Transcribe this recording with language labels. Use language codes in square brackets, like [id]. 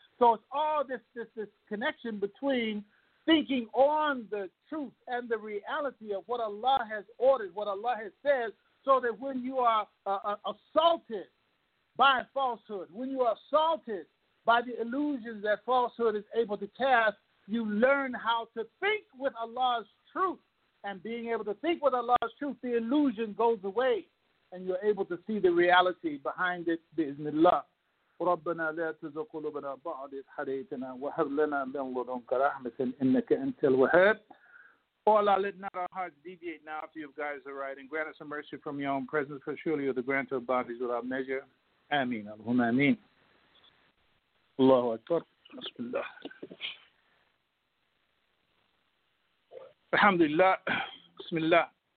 [en] So it's all this connection between thinking on the truth and the reality of what Allah has ordered, what Allah has said, so that when you are assaulted by falsehood, when you are assaulted by the illusions that falsehood is able to cast, you learn how to think with Allah's truth. And being able to think with Allah's truth, the illusion goes away, and you're able to see the reality behind it, bismillah. [ar] ربنا لا تزغ قلوبنا بعد إذ هديتنا وهب لنا من لدنك رحمة إنك أنت الوهاب. [en] Oh Allah, let not our hearts deviate now if you have guided us right, and grant us a mercy from your own presence, for surely you're the grantor of bounties without measure. Ameen. Allahumma ameen. Allahu Akbar. Bismillah. Alhamdulillah. Bismillah.